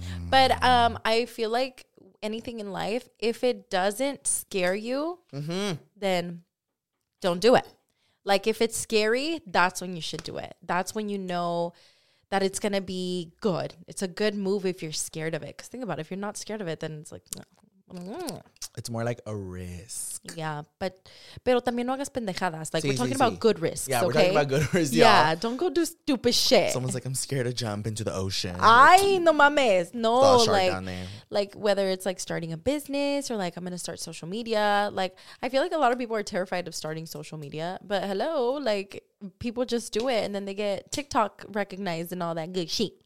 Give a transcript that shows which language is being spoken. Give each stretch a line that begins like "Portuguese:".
English: But I feel like anything in life, if it doesn't scare you, then don't do it. Like, if it's scary, that's when you should do it. That's when you know that it's gonna be good. It's a good move if you're scared of it. Because think about it, if you're not scared of it, then it's like, It's more like a risk.
Spanish: Yeah, but pero también no hagas pendejadas.
English: Like, we're talking about good risks. Yeah, okay? We're talking about good risks. Yeah, y'all. Don't go do stupid shit. Someone's like, I'm scared to jump into the ocean.
Spanish: No mames.
English: No, like whether it's like starting a business or like I'm gonna start social media. Like, I feel like a lot of people are terrified of starting social media. But hello, like, people just do it and then they get TikTok recognized and all that good shit.